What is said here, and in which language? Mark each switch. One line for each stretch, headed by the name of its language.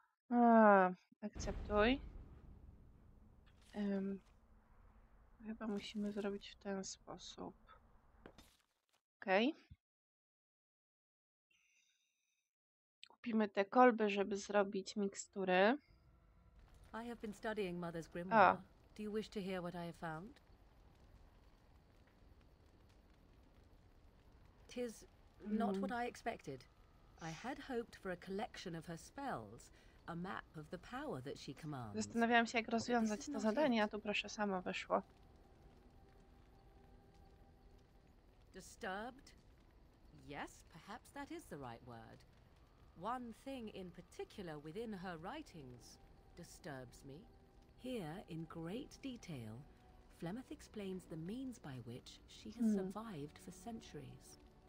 Polish: A, akceptuj. Chyba musimy zrobić w ten sposób. Okej. Kupimy te kolby, żeby zrobić mikstury.
English: I have been studying Mother's Grimoire. Do you wish to hear what I have found? Tis not what I expected. I had hoped for a collection of her spells, a map of the power that she commands.
Polish: Zastanawiałam się, jak rozwiązać to zadanie, a tu proszę, samo wyszło.
English: Disturbed? Yes, perhaps that is the right word. One thing in particular within her writings disturbs me. Here, in great detail, Flemeth explains the means by which she has survived for centuries.